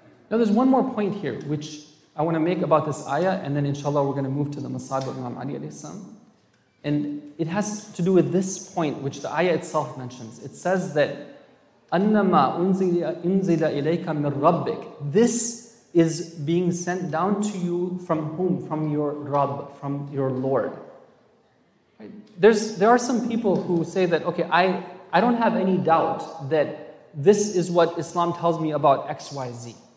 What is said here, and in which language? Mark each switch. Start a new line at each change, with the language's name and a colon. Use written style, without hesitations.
English: Now there's one more point here, which I want to make about this ayah, and then inshallah we're going to move to the masab of Imam Ali alayhi salam. And it has to do with this point, which the ayah itself mentions. It says that,
Arabic: أَنَّمَا أُنزِلَ إِلَيْكَ مِنْ رَبِّكَ.
English: This is being sent down to you from whom? From your Rabb, from your Lord. There are some people who say that, okay, I don't have any doubt that this is what Islam tells me about XYZ.